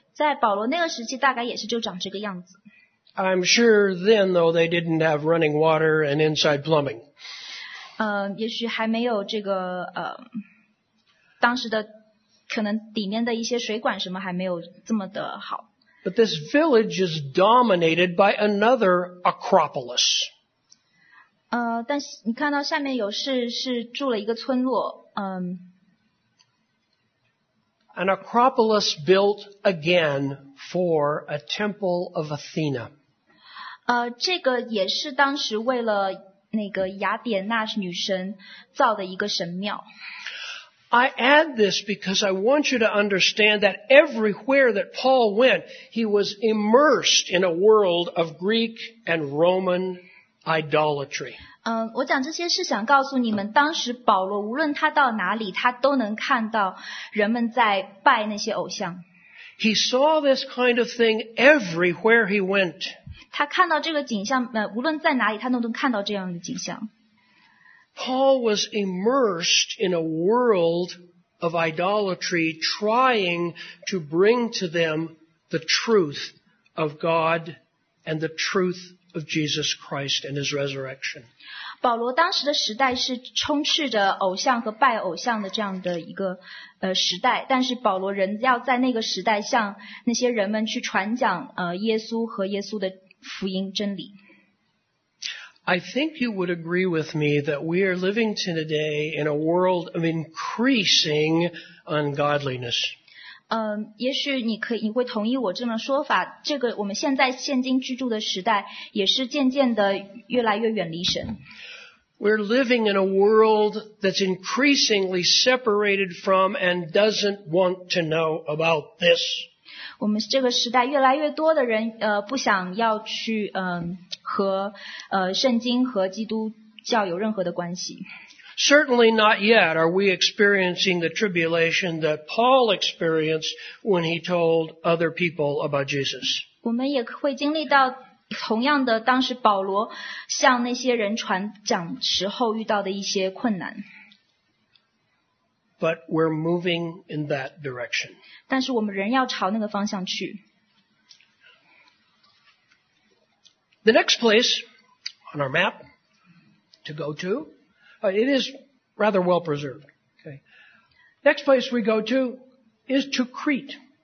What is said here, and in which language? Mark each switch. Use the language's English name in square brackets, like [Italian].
[Chinese] 在保罗那个时期，大概也是就长这个样子。 [English] I'm sure then, though, they didn't have running water and inside plumbing. [Chinese] 也许还没有这个当时的可能里面的一些水管什么还没有这么的好。 [English] But this village is dominated by another Acropolis. [Chinese] 但是你看到下面有是住了一个村落， [English] An Acropolis built again for a temple of Athena. [Chinese] 这个也是当时为了那个雅典娜女神造的一个神庙。 [English] I add this because I want you to understand that everywhere that Paul went, he was immersed in a world of Greek and Roman idolatry. [Chinese] 我讲这些是想告诉你们，当时保罗无论他到哪里，他都能看到人们在拜那些偶像。 [English] He saw this kind of thing everywhere he went. [Chinese] 他看到这个景象，无论在哪里，他都能看到这样的景象。 [English] Paul was immersed in a world of idolatry, trying to bring to them the truth of God and the truth. Of Jesus Christ and His resurrection. [Chinese] 保罗当时的时代是充斥着偶像和拜偶像的这样的一个时代，但是保罗仍要在那个时代向那些人们去传讲耶稣和耶稣的福音真理。 [English] I think you would agree with me that we are living today in a world of increasing ungodliness. [Chinese] 也许你会同意我这么说法，这个我们现今居住的时代也是渐渐的越来越远离神。 [English] We're living in a world that's increasingly separated from and doesn't want to know about this. [Chinese] 我们这个时代越来越多的人不想要去和圣经和基督教有任何的关系。 [English] Certainly not yet are we experiencing the tribulation that Paul experienced when he told other people about Jesus. [Chinese] 我们也会经历到同样的，当时保罗向那些人传讲时候遇到的一些困难。 [English] But we're moving in that direction. [Chinese] 但是我们仍要朝那个方向去。 [English] The next place on our map to go to, it is rather well preserved. Okay. Next place we go to is to Crete.